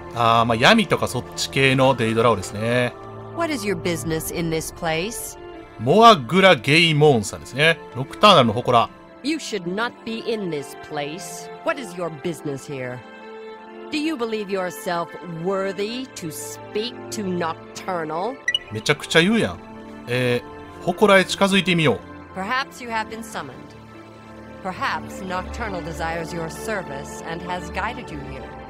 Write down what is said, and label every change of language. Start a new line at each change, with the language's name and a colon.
Japanese: あー、まあ闇とかそっち系のデイドラオですね。
English: What is your business in this place?
Japanese: モアグラゲイモーンさんですね。ノクターナルの祠。
English: You should not be in this place. What is your business here? Do you believe yourself worthy to speak to Nocturnal?
Japanese: めちゃくちゃ言うやん。祠へ近づいてみよう。
English: Perhaps you have been summoned. Perhaps Nocturnal desires your service and has guided you here.